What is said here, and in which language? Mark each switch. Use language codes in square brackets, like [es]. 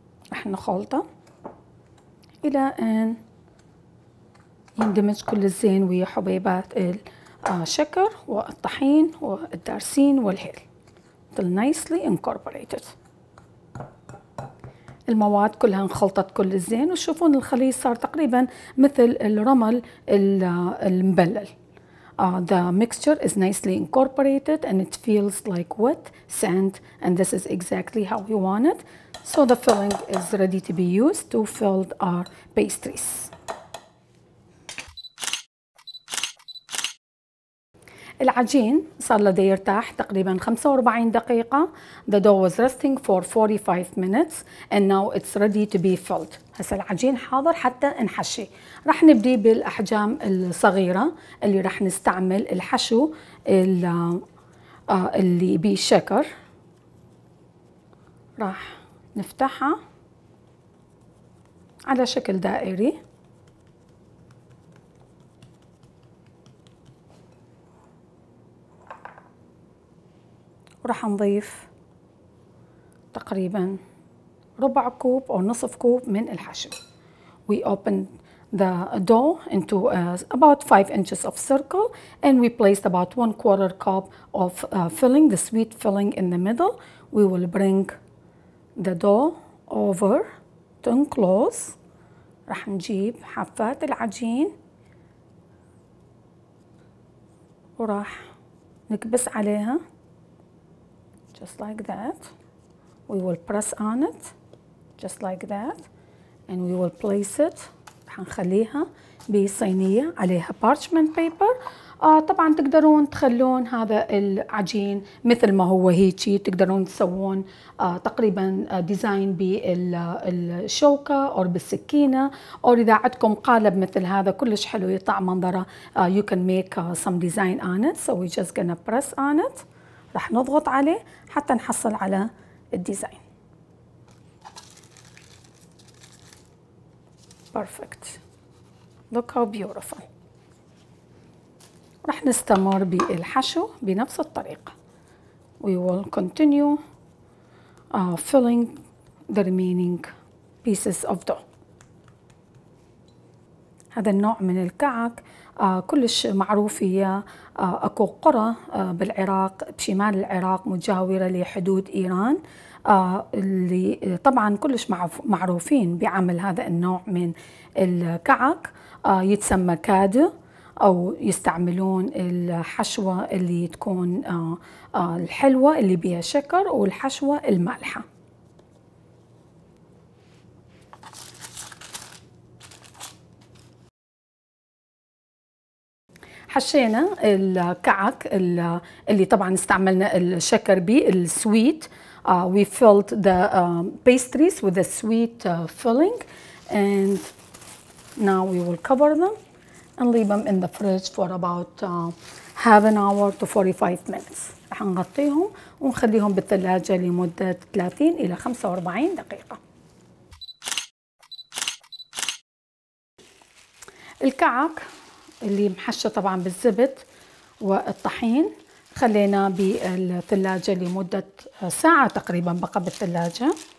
[ar] راح نخلطه إلى أن يندمج كل الزين ويا حبيبات الشكر والطحين والدارسين والهيل. [en] Till nicely incorporated. [ar] المواد كلها انخلطت كل الزين وشوفون الخليط صار تقريبا مثل الرمل المبلل. [en] The mixture is nicely incorporated and it feels like wet sand and this is exactly how we want it. So the filling is ready to be used to fill our pastries. [ar] العجين صار لدي يرتاح تقريبا 45 دقيقة. [en] The dough was resting for 45 minutes and now it's ready to be filled. [ar] هسا العجين حاضر حتى نحشي. راح نبدي بالأحجام الصغيرة اللي راح نستعمل الحشو اللي بيه شكر. راح نفتحها على شكل دائري. راح نضيف تقريبا ربع كوب او نصف كوب من الحشو. [en] We opened the dough into about 5 inches of circle and we placed about 1/4 cup of filling, the sweet filling in the middle. We will bring the dough over to enclose. [ar] راح نجيب حافات العجين وراح نكبس عليها. [en] Just like that. We will press on it. Just like that. And we will place it. [ar] حنخليها بصينية عليها [en] parchment paper. [ar] طبعا تقدرون تخلون هذا العجين مثل ما هو هيجي. تقدرون تسوون تقريبا ديزاين بالشوكة أو بالسكينة أو إذا عندكم قالب مثل هذا كلش حلو يطلع منظره. [en] You can make some design on it. So we're just gonna press on it. [ar] راح نضغط عليه حتى نحصل على الديزاين. [en] Perfect. Look how beautiful. [ar] راح نستمر بالحشو بنفس الطريقة. [en] We will continue filling the remaining pieces of dough. [ar] هذا النوع من الكعك كلش معروف. هي اكو قرى بالعراق بشمال العراق مجاورة لحدود ايران اللي طبعا كلش معروفين بعمل هذا النوع من الكعك. يتسمى كادو او يستعملون الحشوة اللي تكون الحلوة اللي بيها شكر والحشوة المالحة. حشينا الكعك اللي طبعا استعملنا الشكر بيه السويت. [en] We filled the pastries with a sweet filling and now we will cover them and leave them in the fridge for about half an hour to 45 minutes. [ar] رح نغطيهم ونخليهم بالثلاجة لمدة 30 إلى 45 دقيقة. الكعك اللي محشى طبعا بالزبد والطحين خلينا بالثلاجة لمدة ساعة تقريبا، بقى بالثلاجة.